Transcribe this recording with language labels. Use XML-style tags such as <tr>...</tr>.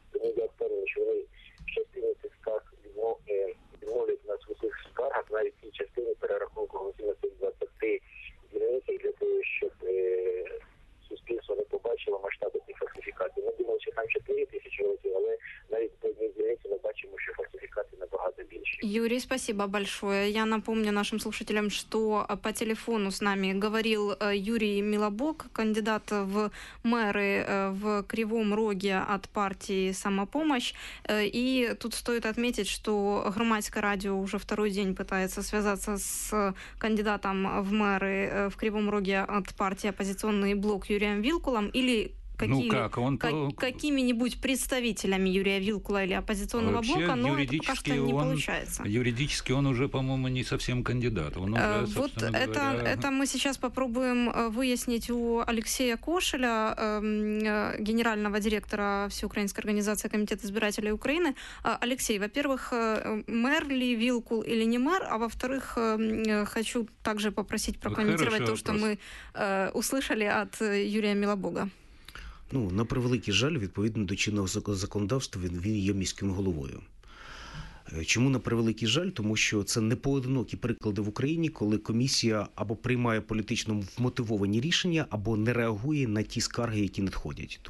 <uk>Тому я впевнений, що вони в частині цих скарг відмовлять нас у цих скаргах, навіть в тій частині перерахунку голосів на цих 20 дільницях для того, щоб суспільство не побачило масштаби цих фальсифікацій. Ми думали, що там 4 тисячі голосів, але навіть по одній дільниці ми бачимо, що фальсифікації набагато більше.</uk> <ru>Юрій, спасибо большое. Я напомню нашим слушателям, что по телефону с нами говорил Юрий Милобок, кандидат в мэры в Кривом Роге от партии «Самопомощь». И тут стоит отметить, что Громадское радио уже второй день пытается связаться с кандидатом в мэры в Кривом Роге от партии «Оппозиционный блок» Юрием Вилкулом или какими-нибудь представителями Юрия Вилкула или оппозиционного блока, но это пока что не получается. Юридически он уже, по-моему, не совсем кандидат. Он уже, вот это мы сейчас попробуем выяснить у Алексея Кошеля, генерального директора Всеукраинской организации Комитета избирателей Украины. Алексей, во-первых, мэр ли Вилкул или не мэр, а во-вторых, хочу также попросить прокомментировать услышали от Юрия Милобога.</ru> <uk>Ну, на превеликий жаль, відповідно до чинного законодавства, він є міським головою. Чому на превеликий жаль? Тому що це не поодинокі приклади в Україні, коли комісія або приймає політично вмотивовані рішення, або не реагує на ті скарги, які надходять.</uk>